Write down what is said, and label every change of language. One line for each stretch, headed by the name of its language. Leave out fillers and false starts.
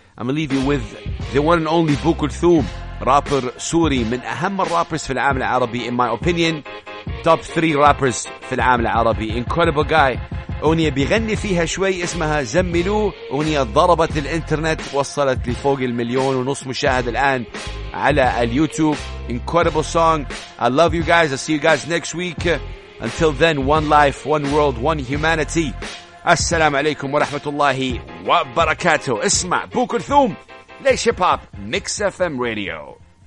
English: I'm gonna leave you with the one and only بو كلثوم
Arabic: رابر سوري من أهم الرابرز في العالم العربي
English: in my opinion. Top 3 rappers
Arabic: في العالم العربي.
English: Incredible guy.
Arabic: أغنية بيغني فيها شوي اسمها زملو. أغنية ضربت الانترنت وصلت لفوق 1.5 مليون مشاهد الآن على اليوتيوب.
English: Incredible song. I love you guys. I'll see you guys next week. Until then, one life, one world, one humanity.
Arabic: السلام عليكم ورحمة الله وبركاته. اسمع بو كلثوم. Laish Hip Hop. Mix FM Radio.